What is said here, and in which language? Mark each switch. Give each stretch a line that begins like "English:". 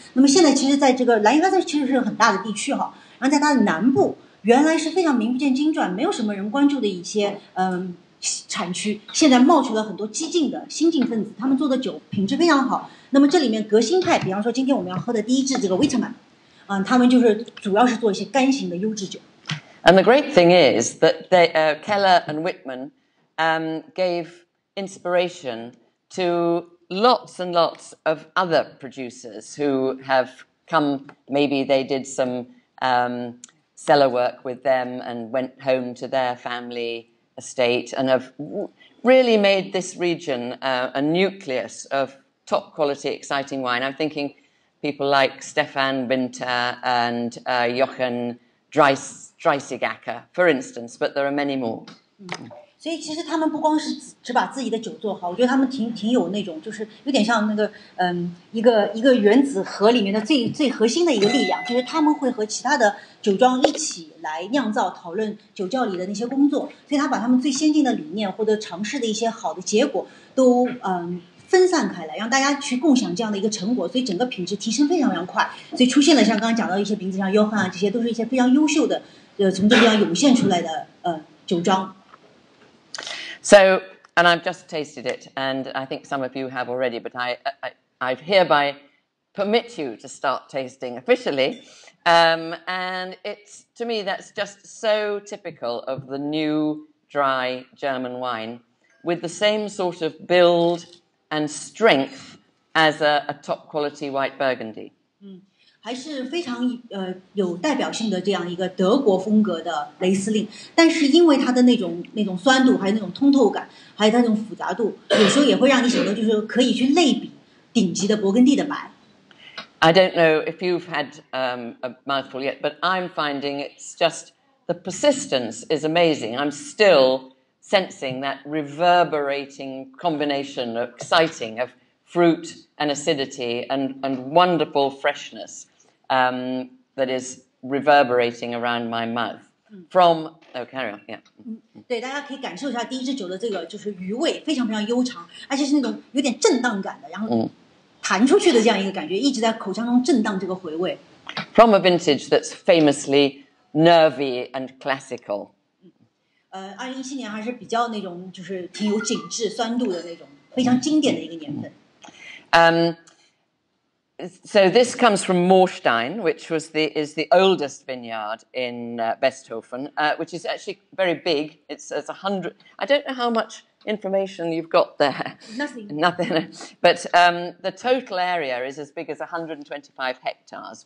Chinese: 那么现在其实在这个莱茵河其实是很大的地区哈，然后在它的南部原来是非常名不见经传，没有什么人关注的一些产区，现在冒出了很多激进的新进分子，他们做的酒品质非常好。那么这里面革新派，比方说今天我们要喝的第一支这个 Wittmann， 他们就是主要是做一些干型的优质酒。
English: And the great thing is that they, Keller and Wittmann, gave. Inspiration to lots and lots of other producers who have come. Maybe they did some cellar work with them and went home to their family estate and have really made this region a nucleus of top quality, exciting wine. I'm thinking people like Stefan Winter and Jochen Dreisigacker, for instance, but there are many more. Mm-hmm.
Chinese: 所以其实他们不光是 只把自己的酒做好，我觉得他们挺有那种，就是有点像那个一个原子核里面的最核心的一个力量，就是他们会和其他的酒庄一起来酿造，讨论酒窖里的那些工作，所以他把他们最先进的理念或者尝试的一些好的结果都分散开来，让大家去共享这样的一个成果，所以整个品质提升非常非常快，所以出现了像刚刚讲到一些瓶子，像约翰啊，这些都是一些非常优秀的从这地方涌现出来的酒庄。
English: So, and I've just tasted it, and I think some of you have already, but I hereby permit you to start tasting officially. And it's, to me, that's just so typical of the new dry German wine, with the same sort of build and strength as a top quality white Burgundy.
Chinese: 还是非常有代表性的这样一个德国风格的雷司令，但是因为它的那种酸度，还有那种通透感，还有它那种复杂度，有时候也会让你想到，就是可以去类比顶级的勃艮第的白。
English: I don't know if you've had a mouthful yet, but I'm finding it's just the persistence is amazing. I'm still sensing that reverberating combination of exciting of fruit and acidity and wonderful freshness that is reverberating around my mouth from oh carry on yeah
Chinese: 对大家可以感受一下第一支酒的这个就是余味非常非常悠长，而且是那种有点震荡感的，然后弹出去的这样一个感觉，一直在口腔中震荡这个回味。
English: From a vintage that's famously nervy and classical.
Chinese: 2017年还是比较那种就是挺有紧致酸度的那种非常经典的一个年份。
English: So this comes from Moorstein, which is the oldest vineyard in Besthofen, which is actually very big. It's 100. I don't know how much information you've got there. Nothing. But the total area is as big as 125 hectares.